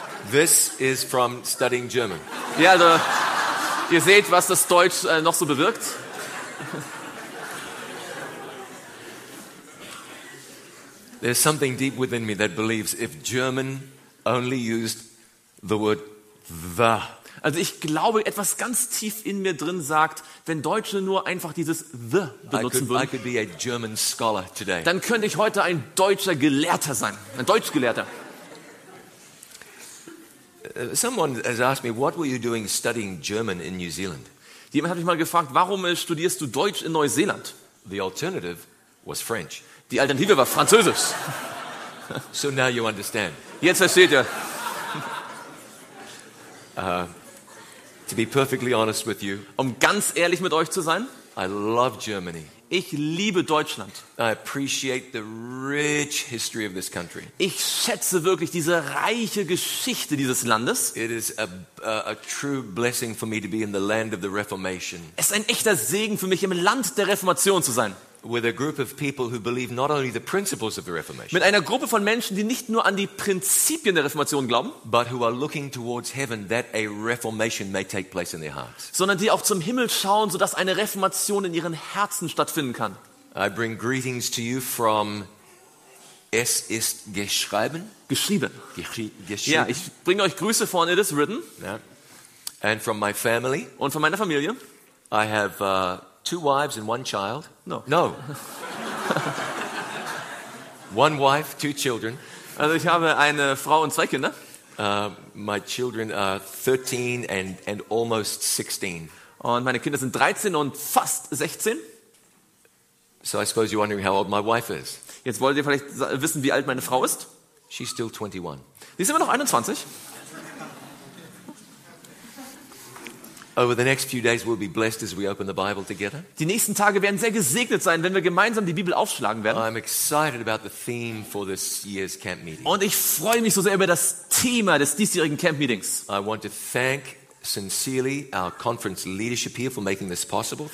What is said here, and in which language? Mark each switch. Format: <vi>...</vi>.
<en>This is from studying German.</en> <de>Ja, also, ihr seht, was das Deutsch noch so bewirkt.</de> <en>There's something deep within me that believes if German only used the word the.</en> <de>Also ich glaube, etwas ganz tief in mir drin sagt, wenn Deutsche nur einfach dieses the benutzen würden,</de> <en>I could be a German scholar today.</en> <de>Dann könnte ich heute ein deutscher Gelehrter sein, ein Deutschgelehrter.</de> <en>Someone has asked me, what were you doing studying German in New Zealand?</en> <de>Jemand hat mich mal gefragt, warum studierst du Deutsch in Neuseeland?</de> <en>The alternative was French.</en> <de>Die Alternative war Französisch.</de> <en>So now you understand.</en> <de>Jetzt versteht ihr.</de> <en>To be perfectly honest with you.</en> <de>Um ganz ehrlich mit euch zu sein.</de> <en>I love Germany.</en> <de>Ich liebe Deutschland.</de> <en>I appreciate the rich history of this country.</en> <de>Ich schätze wirklich diese reiche Geschichte dieses Landes.</de> <en>It is a true blessing for me to be in the land of the Reformation.</en> <de>Es ist ein echter Segen für mich, im Land der Reformation zu sein.</de> <en>With a group of people who believe not only the principles of the Reformation.</en> <de>Mit einer Gruppe von Menschen, die nicht nur an die Prinzipien der Reformation glauben,</de> <en>but who are looking towards heaven that a reformation may take place in their hearts.</en> <de>Sondern die auch zum Himmel schauen, so dass eine Reformation in ihren Herzen stattfinden kann.</de> <en>I bring greetings to you from Es ist geschrieben.</en> <de>Geschrieben. Geschrieben. Ja, ich bringe euch Grüße von It is written.</de> <en>Yeah. And from my family.</en> <de>Und von meiner Familie.</de> <en>I have two wives and one child. No. No. One wife, two children.</en> <de>Also ich habe eine Frau und zwei Kinder.</de> <en>My children are 13 and almost 16.</en> <de>Und meine Kinder sind 13 und fast 16.</de> <en>So I suppose you're wondering how old my wife is.</en> <de>Jetzt wollt ihr vielleicht wissen, wie alt meine Frau ist.</de> <en>She's still 21.</en> <de>Sie ist immer noch 21.</de> <en>Over the next few days we'll be blessed as we open the Bible together.</en> <de>Die nächsten Tage werden sehr gesegnet sein, wenn wir gemeinsam die Bibel aufschlagen werden.</de> <en>I'm excited about the theme for this year's camp meeting.</en> <de>Und ich freue mich so sehr über das Thema des diesjährigen Camp Meetings.</de> <en>I want to thank sincerely our conference leadership here for making this possible.</en>